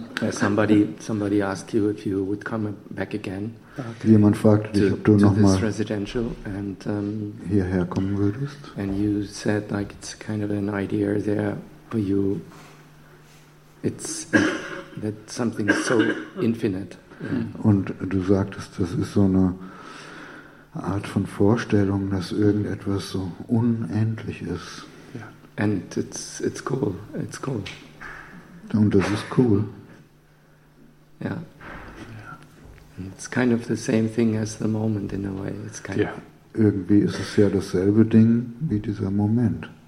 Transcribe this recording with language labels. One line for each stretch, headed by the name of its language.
English: somebody asked you if you would come back again.
German: Okay. Jemand fragte dich, ob du nochmal hierher kommen würdest.
English: And you said like it's kind of an idea there for you. It's that something so infinite. Yeah.
German: Und du sagtest, das ist so eine Art von Vorstellung, dass irgendetwas so unendlich ist.
English: Yeah. And it's cool. It's cool.
German: Und das ist cool.
English: Yeah. Yeah. And it's kind of the same thing as the moment in a way. It's kind yeah.
German: of irgendwie ist es ja dasselbe Ding wie dieser Moment.